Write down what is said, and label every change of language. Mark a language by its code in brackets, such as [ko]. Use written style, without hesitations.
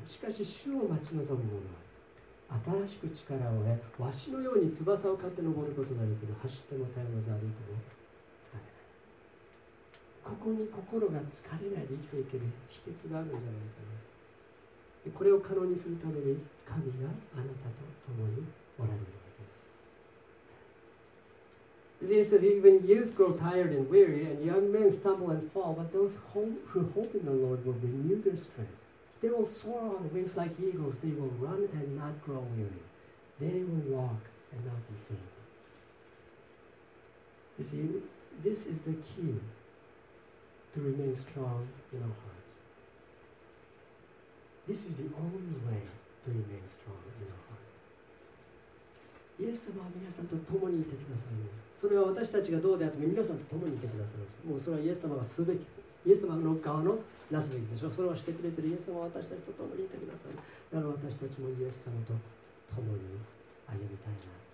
[ja] しかし主を待ち望む者は新しく力を得、わしのように翼を買って登ることができる。走ってもたゆまず歩いても、ここに心が疲れないで生きていける秘訣があるんじゃないかな。これを可能にするために神があなたと共におられるわけです。 [en] This is even youth grow tired and weary, and young men stumble and fall, but those who hope in the Lord will renew their strength. They will soar on wings like eagles, they will run and not grow weary. They will walk and not be faint. You see, this is the key. To remain strong in our heart. This is the only way to remain strong in our heart. [ja] イエス様は皆さんと共にいてくださいます。それは私たちがどうであっても皆さんと共にいてくださいます。もうそれはイエス様がすべき、イエス様の側のなすべきでしょう。それをしてくれているイエス様は私たちと共にいてください。だから私たちもイエス様と共に歩みたいな。